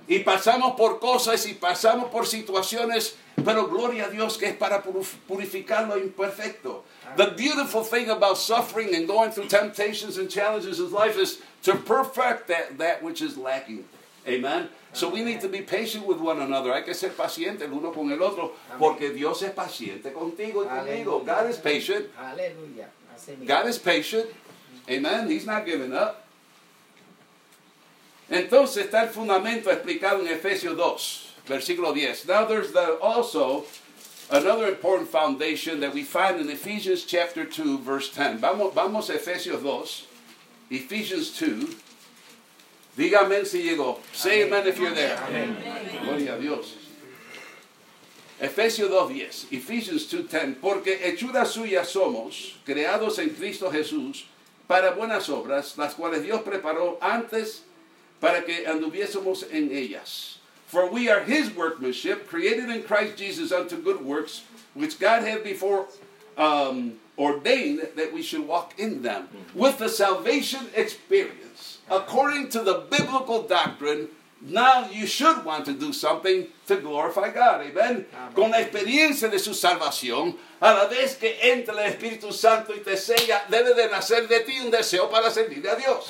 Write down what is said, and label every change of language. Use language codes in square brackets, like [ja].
[es] Y pasamos por cosas y pasamos por situaciones, pero gloria a Dios que es para purificar lo imperfecto. Aleluya. [en] The beautiful thing about suffering and going through temptations and challenges in life is to perfect that which is lacking. Amen. [es] Aleluya. [en] So we need to be patient with one another. [es] Hay que ser paciente el uno con el otro. Aleluya. Porque Dios es paciente contigo y conmigo. Aleluya. [en] God is patient. [es] Aleluya. [en] God is patient. Amen. He's not giving up. [es] Entonces está el fundamento explicado en Efesios 2, versículo 10. [en] Now there's also another important foundation that we find in Ephesians chapter 2, verse 10. [es] Vamos a Efesios 2, Ephesians 2. Dígame si llegó. [en] Say amen, amen if you're there. Amen. [es] Gloria a Dios. Efesios 2, 10. [en] Ephesians 2, 10. [es] Porque hechura suya somos, creados en Cristo Jesús, para buenas obras, las cuales Dios preparó antes para que anduviésemos en ellas. [en] For we are his workmanship, created in Christ Jesus unto good works, which God had before ordained that we should walk in them. With the salvation experience, according to the biblical doctrine, now you should want to do something to glorify God. Amen? Amen. [es] Con la experiencia de su salvación, a la vez que entra el Espíritu Santo y te sella, debe de nacer de ti un deseo para servir a Dios.